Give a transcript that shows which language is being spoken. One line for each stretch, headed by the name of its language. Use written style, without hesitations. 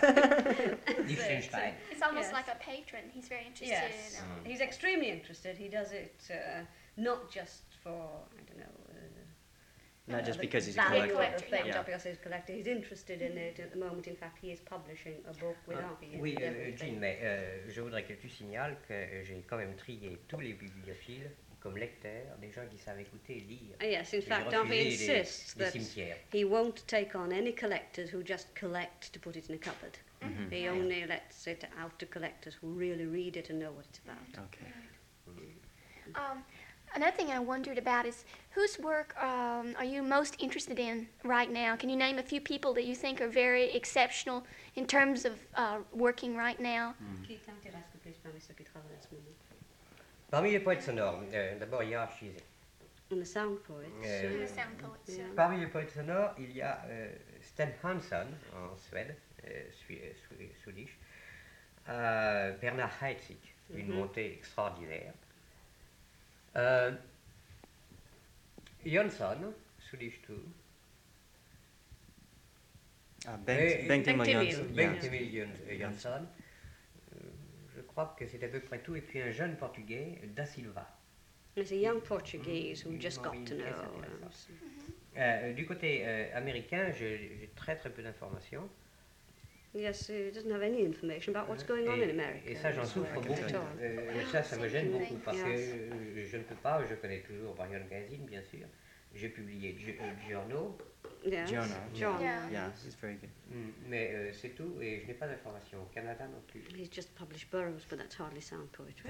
English: It's almost like a patron. He's very interested. Yes, he's extremely interested. He does it... not just for, I don't know... not just because he's a collector. Not just because he's a collector. He's interested in it at the moment. In fact, he is publishing a book with Henri.
French: Oui, Jean, mais je voudrais que tu signales que j'ai quand même trié tous les bibliophiles comme lecteurs, des gens qui savent écouter et lire.
English: Yes, in fact, Henri insists that he won't take on any collectors who just collect to put it in a cupboard. Mm-hmm. He only lets it out to collectors who really read it and know what it's about. Okay. Mm-hmm. Another thing I wondered about is, whose work are you most interested in right now? Can you name a few people that you think are very exceptional in terms of working right now? Mm-hmm.
French: Parmi les poètes sonores, d'abord il y a Archizé.
English: And the sound poets.
French: Parmi les poètes sonores, il y a Sten Hansson en Suède, Swedish. Bernard Heitzig, une montée extraordinaire.
English: Jonsson, Swedish too. Bengt-Emil Jonsson.
French: Je crois que c'est à peu près tout. Et puis un jeune Portugais, Da Silva.
English: There's a young Portuguese who just got to know.
French: Du côté américain, j'ai très très peu d'informations.
English: Yes, he doesn't have any information about what's going on in America.
French: Et ça, j'en souffre beaucoup. Ça me gêne beaucoup parce que je ne peux pas. Je connais toujours Marion Gazin, bien sûr. J'ai publié Journal.
English: He's very good.
French: Mais c'est tout, et je n'ai pas d'informations au Canada non plus.
English: He's just published Burroughs, but that's hardly sound poetry.